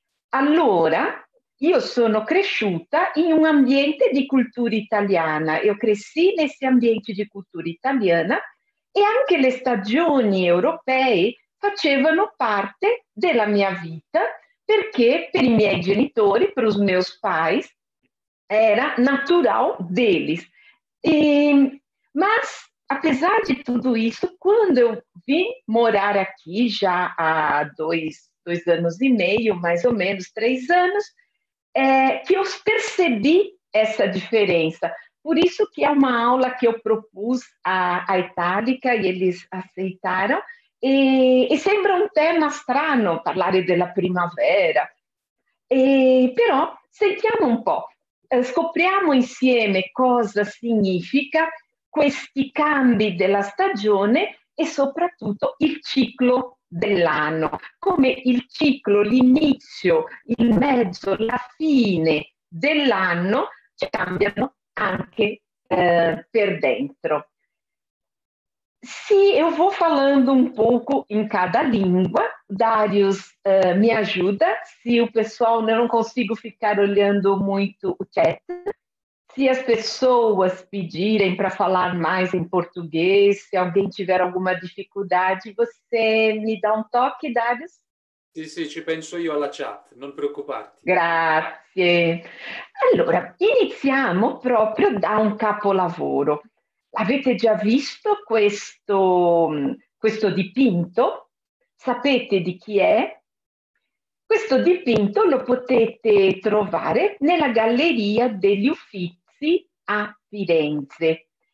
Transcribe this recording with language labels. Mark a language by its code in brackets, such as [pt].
[it] Allora, io sono cresciuta in un ambiente di cultura italiana, io cresci in questi ambienti di cultura italiana e anche le stagioni europee facevano parte della mia vita, perché per i miei genitori, per i miei [pt] pais, era natural deles. Ma apesar di tutto isso, quando eu vim morare aqui já há dois anos e meio, mais ou menos, 3 anos, que eu percebi essa diferença. Por isso que é uma aula que eu propus à Itálica e eles aceitaram. [it] E sembra um tema strano parlare della primavera, però sentiamo un po', scopriamo insieme cosa significa questi cambi della stagione e soprattutto il ciclo dell'anno, come il ciclo, l'inizio, il mezzo, la fine dell'anno ci cambiano anche per dentro. [pt] Sim, eu vou falando um pouco em cada língua. Darius me ajuda. Se o pessoal, eu não consigo ficar olhando muito o chat. Se as pessoas pedirem para falar mais em português, se alguém tiver alguma dificuldade, você me dá um toque, Darius? [it] Sim, sim, ci penso io alla chat, non preoccuparti. Grazie. Allora, iniziamo proprio da un capolavoro. Avete già visto questo dipinto? Sapete di chi è? Questo dipinto lo potete trovare nella Galleria degli Uffizi a Firenze.